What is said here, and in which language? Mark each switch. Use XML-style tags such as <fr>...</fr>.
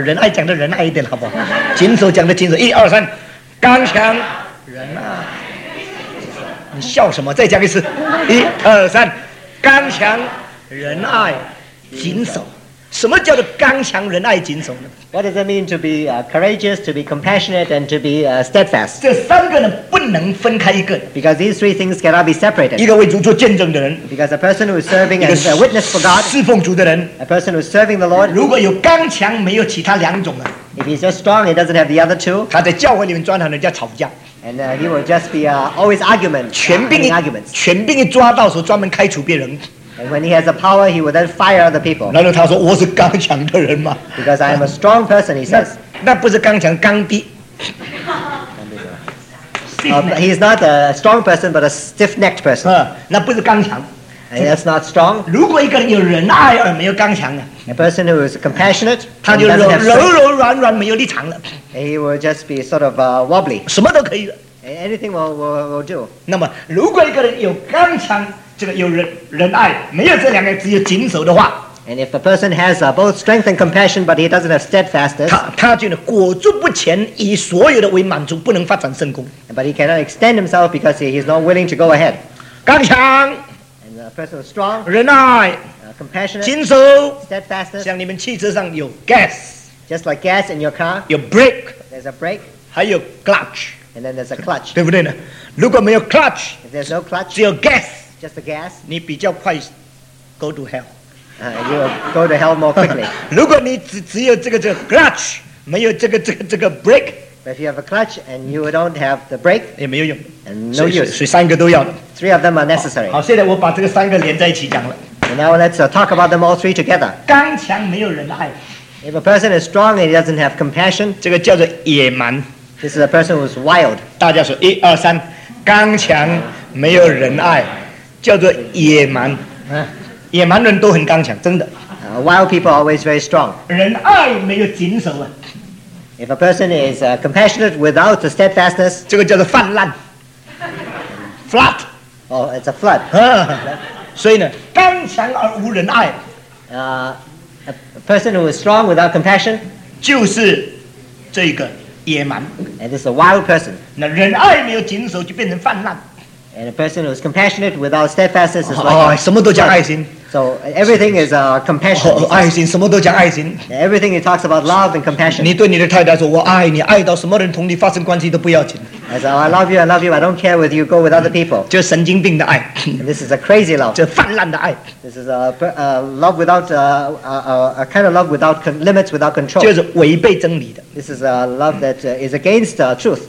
<zh>仁爱讲的仁爱一点好不好？谨守讲的谨守。一二三，刚强，仁爱，谨守。你笑什么？再讲一次。一二三，刚强，仁爱，谨守。什么叫做刚强仁爱谨守呢？</zh> <en>What does it mean to be courageous, to be compassionate, and to be steadfast?</en> <zh>这三个呢不能分开一个。</zh> <en>Because these three things cannot be separated.</en> <zh>一个为主做见证的人。</zh> <en>Because a person who is serving as a witness for God.</en> <zh>侍奉主的人。</zh> <en>A person who is serving the Lord.</en> <zh>如果有刚强，没有其他两种啊。</zh> <en>If he's just strong, he doesn't have the other two.</en> <zh>他在教会里面专喊人家吵架。</zh> <en>And he will just be always argument.</en> <zh>权柄一抓到时候，专门开除别人。</zh> <en>And when he has a power, he will then fire other people.</en> <zh>难道他说我是刚强的人吗？</zh> <en>Because I am a strong person, he says.</en> <zh>那不是刚强，刚逼。</zh> <en>He is not a strong person, but a stiff-necked person.</en> <zh>那不是刚强。</zh> <en>And that's not strong.</en> <zh>如果一个人有仁爱而没有刚强呢？</zh> <en>A person who is compassionate,</en> <zh>他就柔柔软软没有立场了。</zh> <en>He will just be sort of wobbly.</en> <zh>什么都可以的。</zh> <en>Anything will do.</en> <zh>那么如果一个人有刚强。这个有仁爱，没有这两个，只有谨守的话。</zh> <en>And if a person has both strength and compassion, but he doesn't have steadfastness,</en> <zh>他就裹足不前，以所有的为满足，不能发展圣功。</zh> <en>But he cannot extend himself because he is not willing to go ahead.</en> <zh>刚强</zh> <en>，and a person is strong,</en> <zh>仁爱</zh> <en>，compassionate,</en> <zh>谨守</zh> <en>，steadfastness.</en> <zh>像你们汽车上有 gas,</zh> <en>just like gas in your car,</en> <zh>有 brake,</zh> <en>there's a brake,</en> <zh>还有 clutch,</zh> <en>and then there's a clutch,</en> <zh>对不对呢？如果没有 clutch,</zh> <en>if there's no clutch,</en> <zh>只有 gas.</zh> <en>Just the gas.</en> <zh>你比较快 ，</zh> <en>go to hell. You go to hell more quickly.</en> <zh>如果你只有这个 clutch， 没有这个 brake.</zh> <en>But if you have a clutch and you don't have the brake，</en> <zh>也没有用</zh> <en>，and no use.</en> <zh>所以三个都要。</zh> <en>Three of them are necessary.</en> <zh>好，现在我把这个三个连在一起讲了。</zh> <en>And now let's talk about them all three together.</en> <zh>刚强没有仁爱。</zh> <en>If a person is strong and he doesn't have compassion，</en> <zh>这个叫做野蛮。</zh> <en>This is a person who is wild.</en> <zh>大家说一二三，刚强没有仁爱。叫做野蛮，野蛮人都很刚强，真的。</zh> <en>Wild people are always very strong.</en> <zh>仁爱没有谨守啊。</zh> <en>If a person is compassionate without the steadfastness,</en> <zh>这个叫做泛滥。</zh> <en>Flood. Oh, it's a flood.</en> <zh>所以呢，刚强而无人爱。</zh> <en>A person who is strong without compassion，</en> <zh>就是这个野蛮。</zh> <en>And this is a wild person。</en> <zh>那仁爱没有谨守，就变成泛滥。</zh> <en>And a person who is compassionate without steadfastness is like</en> <zh>什么都讲爱心。</zh> <en>So everything is compassion.</en> <zh>爱心，什么都讲爱心。</zh> <en>Everything he talks about love and compassion.</en> <zh>你对你的太太说，我爱你，爱到什么人同你发生关系都不要紧。</zh> <en>As I love you, I love you. I don't care with you. Go with other people.</en> <zh>这神经病的爱。</zh> <en>This is a crazy love.</en> <zh>这泛滥的爱。</zh> <en>This is love without a kind of love without limits, without control.</en> <zh>就是违背真理的。</zh> <en>This is a love that is against truth.</en>